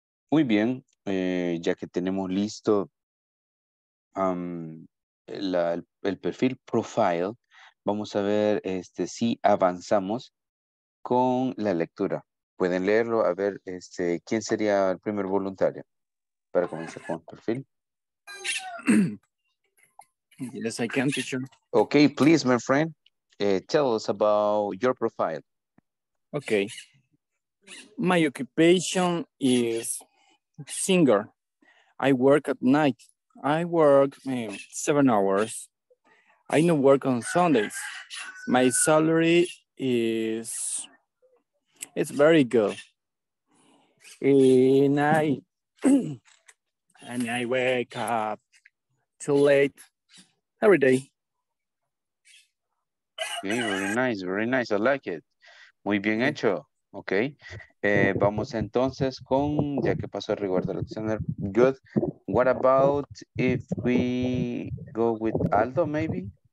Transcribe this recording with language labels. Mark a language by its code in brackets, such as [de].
[es] Muy bien, ya que tenemos listo el perfil profile, vamos a ver si avanzamos con la lectura. Pueden leerlo, a ver quién sería el primer voluntario para comenzar con el perfil. [en] Yes, I can, teacher. Okay, please, my friend, tell us about your profile. Okay. My occupation is... singer. I work at night. I work 7 hours. I don't work on Sundays. My salary is, it's very good. And I wake up too late every day. Okay, very nice, very nice. I like it. [es] Muy bien hecho. [en] Ok. [es] Vamos entonces con, ya que pasó el rigor de Alexander. [en] Good. What about if we go with Aldo, maybe?